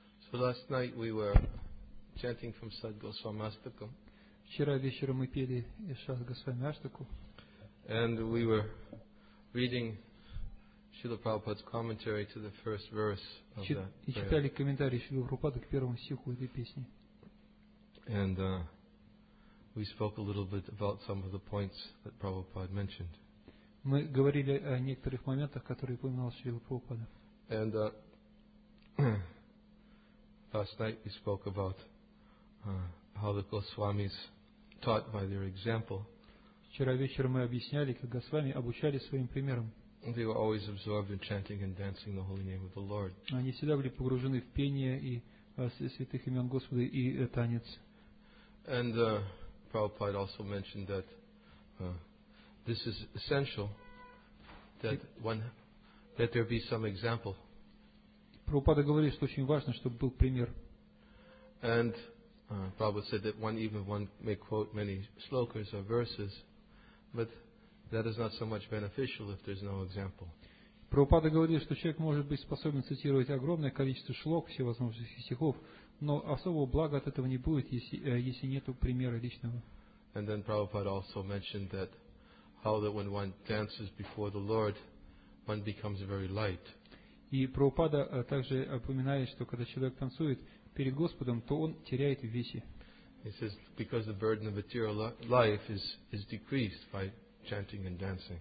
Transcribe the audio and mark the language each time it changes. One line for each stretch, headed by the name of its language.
English: So last night we were chanting from Sad Goswami Ashtakam.
Russian: Вчера вечером мы пели из Сад Госвами Аштаку.
English: And we were reading Śrīla Prabhupāda's commentary to the first verse of that.
Russian: И читали комментарий Śrīla Prabhupāda к первому стиху этой песни.
English: And we spoke a little bit about some of the points that Prabhupada mentioned.
Russian: Мы говорили о некоторых моментах, которые упоминал Шрила Прабхупада.
English: And last night we spoke about how the Goswamis taught by their example.
Russian: Вчера вечером мы объясняли, как Госвами обучали своим примером.
English: They were always absorbed in chanting and dancing the holy name of the Lord.
Russian: Они всегда были погружены в пение и святых имен Господа и танец.
English: And Prabhupada also mentioned that this is essential that one that there be some example.
Russian: Прабхупада говорит, что очень важно, чтобы был пример.
English: And Prabhupada said that one even one may quote many slokas or verses, but that is not so much beneficial if there's no example.
Russian: Прабхупада говорит, что человек может быть способен цитировать огромное количество шлок, всевозможных стихов, но особого блага от этого не будет, если нет примера личного.
English: And then Prabhupada also mentioned that how that when one dances before the Lord, one becomes very light.
Russian: И Прабхупада также упоминает, что когда человек танцует перед Господом, то он теряет в весе.
English: He says, because the burden of material life is decreased by chanting and dancing.